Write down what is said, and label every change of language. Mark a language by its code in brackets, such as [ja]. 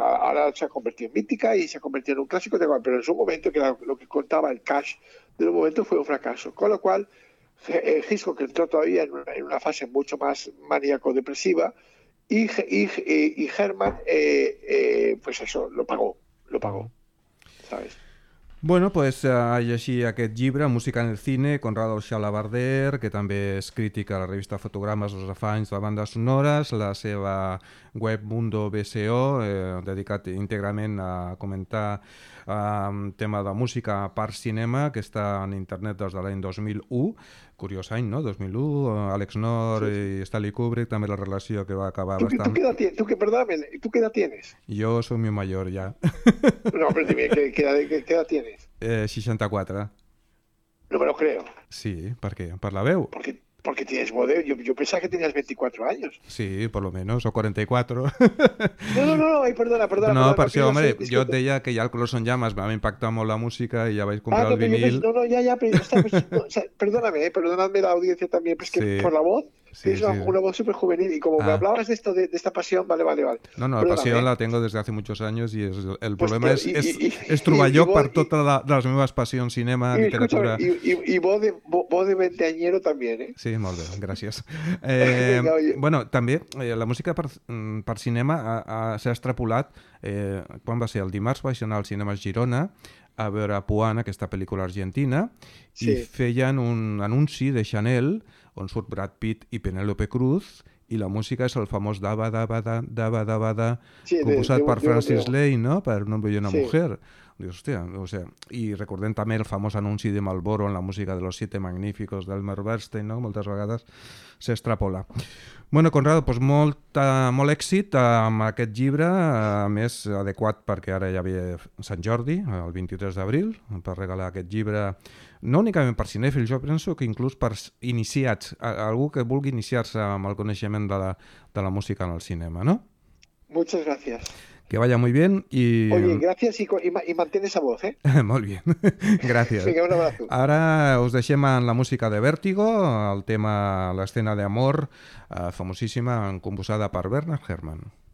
[es] Ahora se ha convertido en mítica y se ha convertido en un clásico, pero en su momento, que lo que contaba el Cash de un momento, fue un fracaso. Con lo cual, Hitchcock entró todavía en una fase mucho más maníaco-depresiva y Herrmann, pues eso, lo pagó, ¿sabes? [ca] Bueno, pues hi ha així aquest llibre, Música en el cine, Conrado Xalabarder, que també és crític a la revista Fotogrames dels afanys de bandes sonores, la seva web Mundo BSO, dedicat íntegrament a comentar tema de música per cinema, que està en internet des de l'any 2001, curiós any, no? 2001, Alex North, sí, sí, i Stanley Kubrick, també la relació que va acabar tu, bastant... Tu què edat [es] tienes? [ca] Jo soc mi major, ja. No, però [es] dime, [ca] què edat [es] tienes? [ca] 64. [es] No me lo creo. [ca] Sí, per què? Per la veu. [es] Porque tienes modelo. Yo pensaba que tenías 24 años. Sí, por lo menos, o 44. No, ay, perdona. [ca] No, per això, home, jo et deia que ja el Colors en Llamas va impactar molt la música i ja vaig comprar el vinil. [es] No, ya, pero estamos... perdóname la audiencia también, pues que sí, por la voz, una voz súper juvenil. Y como me hablabas de esto, de esta pasión, vale. No, la pasión la tengo desde hace muchos años y el problema es troballó [ca] per totes les meves passions, [es] cinema, literatura... Y voz de veinteañero también, ¿eh? [ca] Sí, molt bé, gràcies. Bueno, també la música per cinema s'ha extrapolat. Quan va ser? El dimarts vaig anar al cinema Girona a veure Puan, aquesta pel·lícula argentina, sí, i feien un anunci de Chanel on surt Brad Pitt i Penélope Cruz i la música és el famós Dabadabada, sí, composat per Francis Lay, no? Per Un hombre y una mujer. Hòstia, [es] o sea, [ca] i recordem també el famós anunci de Marlboro en la música de Los Siete Magníficos d'Elmer Bernstein, no? Moltes vegades s'extrapola. Bueno, Conrado, pues molt èxit amb aquest llibre, a més adequat perquè ara ja havia Sant Jordi, el 23 d'abril, per regalar aquest llibre, no únicament per cinèfils, jo penso que inclús per iniciats, algú que vulgui iniciar-se amb el coneixement de la música en el cinema, no? [es] Muchas gracias. Que vaya muy bien y... Oye, gracias y mantén esa voz, ¿eh? Muy bien, gracias. Venga, un abrazo. Ahora os dejemos en la música de Vértigo, el tema, la escena de amor, famosísima, composada por Bernard Herrmann.